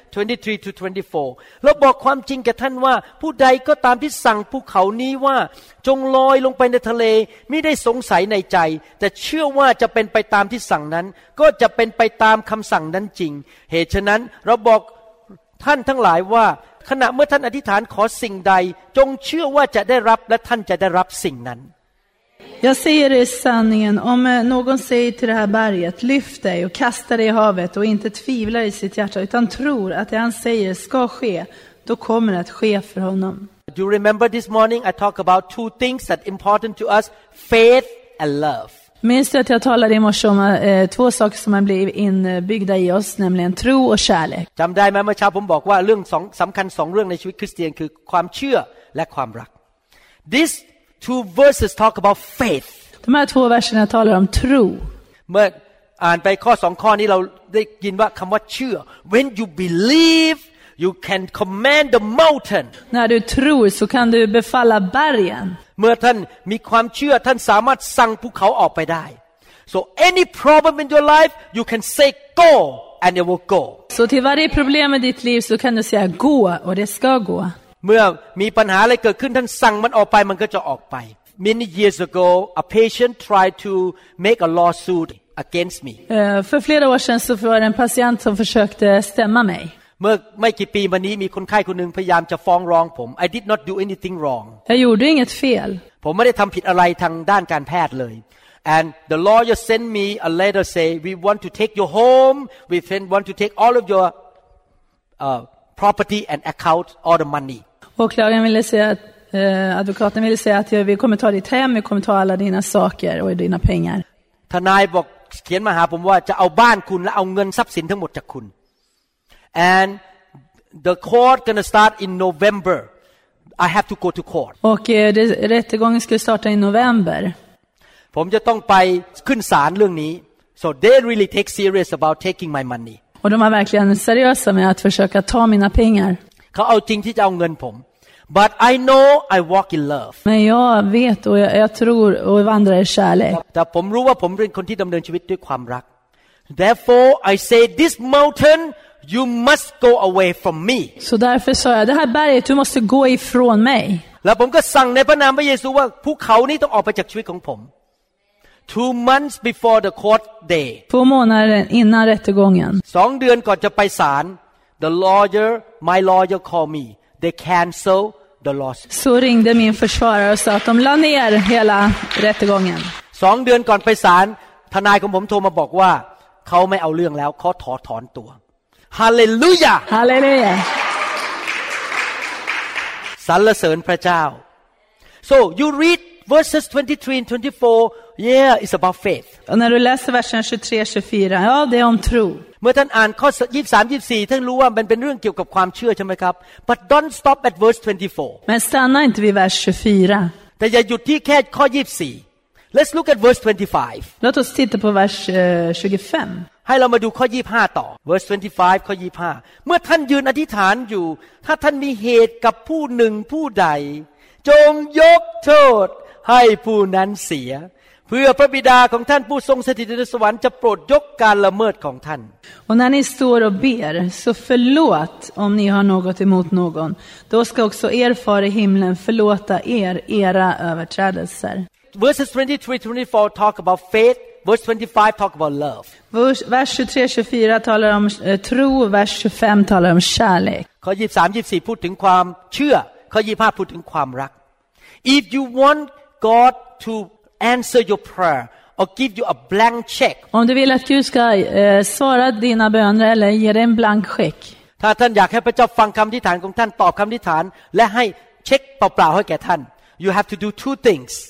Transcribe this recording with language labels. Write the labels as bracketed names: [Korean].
[Thai] 23 to 24เราบอกความจริงแก่ท่านว่าผู้ใดก็ตามที่สั่งภูเขานี้ว่าจงลอยลงไปในทะเลมิได้สงสัยในใจแต่เชื่อว่าจะเป็นไปตามที่สั่งนั้นก็จะเป็นไปตามคำสั่งนั้นจริงเหตุฉะนั้นเราบอกท่านทั้งหลายว่าขณะเมื่อท่านอธิษฐานขอสิ่งใดจงเชื่อว่าจะได้รับและท่านจะได้รับสิ่งนั้น [Swedish] Jag säger er sanningen, om någon säger till det här berget, lyft dig och kasta dig i havet och inte tvivlar i sitt hjärta utan tror att det han säger ska ske, då kommer det att ske för honom. [English] Do you remember this morning I talk about two things that are important to us, faith and love? [Swedish] Minns du att jag talade i morse om två saker som har blivit inbyggda i oss, nämligen tro och kärlek? Jag minns att jag sa att det är två saker som är viktiga i livet kristian, det är tro och kärlek. [English] This two verses talk about faith. [Swedish] De här två verserna talar om tro. [English] But and by [Thai] ข้อ 2 ข้อนี้เราได้ยินว่าคําว่าเชื่อ [English] when you believe you can command the mountain. [Swedish] När du tror så kan du befalla bergen. [Thai] เมื่อท่านมีความเชื่อท่านสามารถสั่งภูเขาออกไปได้ [English] So any problem in your life you can say go and it will go. [Swedish] Så till varje problem i ditt liv så kan du säga gå och det ska gå. [Thai] เมื่อมีปัญหาอะไรเกิดขึ้นท่านสั่งมันออกไปมันก็จะออกไป [English] Many years ago a patient tried to make a lawsuit against me [Swedish] för flera år sedan så var det en patient som försökte stämma mig [Thai] เมื่อไม่กี่ปีมานี้มีคนไข้คนนึงพยายามจะฟ้องร้องผม [English] I did not do anything wrong [Thai] แต่อยู่ด้วยเหตุ fail ผมไม่ได้ทำผิดอะไรทางด้านการแพทย์เลย [English] and the lawyer sent me a letter say we want to take your home we want to take all of your property and account all the money [Swedish] Advokaten ville säga att advokaten ville säga att vi kommer ta ditt hem, vi kommer ta alla dina saker och dina pengar. Tanai bok skrev till mig att jag ska ta ditt hem och ta alla dina saker och dina pengar. [English] And the court gonna start in November. I have to go to court. [Swedish] Och rättegången ska starta i november. Jag måste gå till domstolen om det här. [English] So they really take serious about taking my money. [Swedish] Och de är verkligen seriösa med att försöka ta mina pengar. [Thai] เขาเอาจริงที่จะเอาเงินผม [English] but I know I walk in love [Swedish] men jag vet och jag tror och vandrar i kärlek [Thai] แต่ผมรู้ว่าผมเป็นคนที่ดำเนินชีวิตด้วยความรัก [English] therefore I say this mountain you must go away from me [Swedish] så därför sa jag det här berget du måste gå ifrån mig [Thai] แล้วผมก็สั่งในพระนามพระเยซูว่าภูเขานี้ต้องออกไปจากชีวิตของผม [English] 2 months before the court day [Swedish] 2 månader innan rättegången [Thai] 2 เดือนก่อนจะไปศาล [English] The lawyer, my lawyer called me. They cancel the lawsuit. [Swedish] Så ringde min försvarare och sa att de la ner hela rättegången. [Thai] 2 เดือนก่อนไปศาลทนายของผมโทรมาบอกว่าเขาไม่เอาเรื่องแล้วเขาถอนตัว [English] Hallelujah. Hallelujah. [Thai] สรรเสริญพระเจ้า [English] So you read verses 23 and 24. Yeah, it's about faith. [Swedish] Och när du läser versen 23 och 24, ja, det är om tro. [Thai] เมื่อท่านอ่านข้อ23 24ท่านรู้ว่ามันเป็นเรื่องเกี่ยวกับความเชื่อใช่ไหมครับ [English] But don't stop at verse 24 [Swedish] Men stanna inte vid vers 24 [Thai] แต่อย่าหยุดที่แค่ข้อ24 [English] Let's look at verse 25 [Swedish] Låt oss titta på vers 25 [Thai] ให้เรามาดูข้อ25ต่อ [English] Verse 25 [Thai] ข้อ25เมื่อท่านยืนอธิษฐานอยู่ถ้าท่านมีเหตุกับผู้หนึ่งผู้ใดจงยกโทษให้ผู้นั้นเสียเพื่อพระบิดาของท่านผู้ทรงสถิตในสวรรค์จะโปรดยกการละเมิดของท่าน [Swedish] Och när ni står och ber så förlåt om ni har något emot någon då ska också er far i himlen förlåta er era överträdelser [English] Verses 23-24 talk about faith Verse 25 talk about love [Swedish] Vers 23-24 talar om tro Vers 25 talar om kärlek [Thai] ข้อ 23-24 พูดถึงความเชื่อข้อ 25 พูดถึงความรัก [English] If you want God toAnswer your prayer or give you a blank check. [Swedish] Om du vill att Gud ska svara dina böner eller ge dig en blank check. [Thai] ถ้าท่านอยากให้พระเจ้าฟังคำอธิษฐานของท่านตอบคำอธิษฐานและให้เช็คเปล่าๆให้แก่ท่าน [English] you have to do two things.